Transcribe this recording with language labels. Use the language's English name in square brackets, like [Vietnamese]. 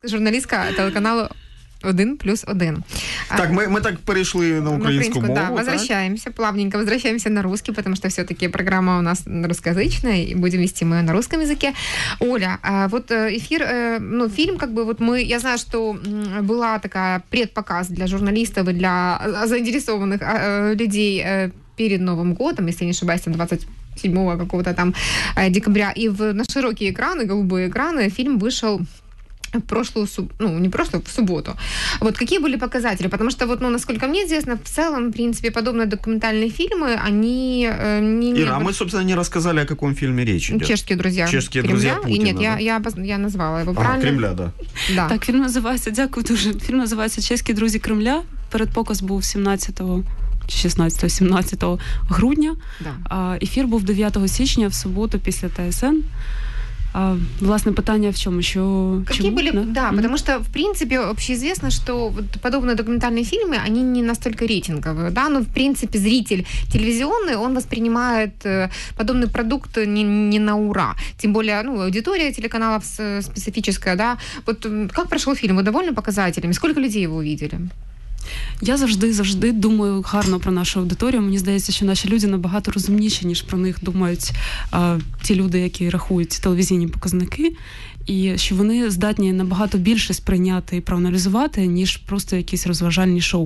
[Ukrainian] журналістка телеканалу 1+1. [Russian] Так, мы так перешли на украинскую мову. Да, так? Возвращаемся, плавненько возвращаемся на русский, потому что все-таки программа у нас русскоязычная, и будем вести мы на русском языке. Оля, вот эфир, ну, фильм, как бы, вот мы, я знаю, что была такая предпоказ для журналистов и для заинтересованных людей перед Новым годом, если не ошибаюсь, 27-го какого-то там декабря, и на широкие экраны, голубые экраны, фильм вышел в субботу. Вот какие были показатели? Потому что, вот, ну, насколько мне известно, в целом, в принципе, подобные документальные фильмы, они Мы, собственно, не рассказали, о каком фильме речь идет. Чешские друзья. Чешские друзья Путина. Нет, да? я назвала его правильно. Кремля, да. Да. Так, фильм называется, [Ukrainian] дякую дуже, [Russian] фильм называется «Чешские друзья Кремля». [Ukrainian] Передпоказ був 16-17 грудня. [Russian] Да. [Ukrainian] Ефір був 9 січня, в суботу, після ТСН. Власне, питання в чому? Що, [Russian] какие [Ukrainian] чому? [Russian] Были, да, да, потому что, в принципе, общеизвестно, что вот подобные документальные фильмы, они не настолько рейтинговые, да, но, в принципе, зритель телевизионный, он воспринимает подобный продукт не на ура, тем более, ну, аудитория телеканалов специфическая, да, вот как прошел фильм, вы довольны показателями, сколько людей его увидели? [Ukrainian] Я завжди думаю гарно про нашу аудиторію. Мені здається, що наші люди набагато розумніші, ніж про них думають ті люди, які рахують телевізійні показники. І що вони здатні набагато більше сприйняти і проаналізувати, ніж просто якісь розважальні шоу.